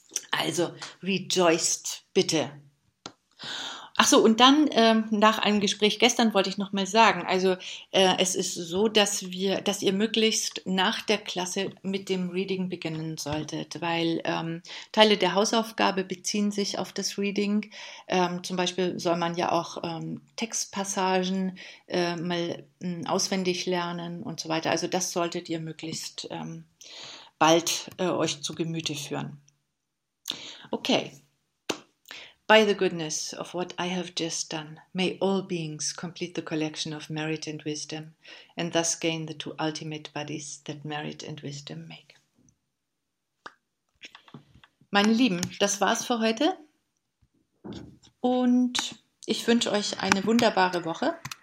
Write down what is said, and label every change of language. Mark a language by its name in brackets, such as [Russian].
[German] Also, rejoiced, bitte. Ach so, und dann nach einem Gespräch gestern wollte ich noch mal sagen, also es ist so, dass ihr möglichst nach der Klasse mit dem Reading beginnen solltet, weil Teile der Hausaufgabe beziehen sich auf das Reading. Zum Beispiel soll man ja auch Textpassagen mal auswendig lernen und so weiter. Also das solltet ihr möglichst bald euch zu Gemüte führen. Okay. [English] By the goodness of what I have just done, may all beings complete the collection of merit and wisdom, and thus gain the two ultimate bodies that merit and wisdom make. [German] Meine Lieben, das war's für heute. Und ich wünsche euch eine wunderbare Woche.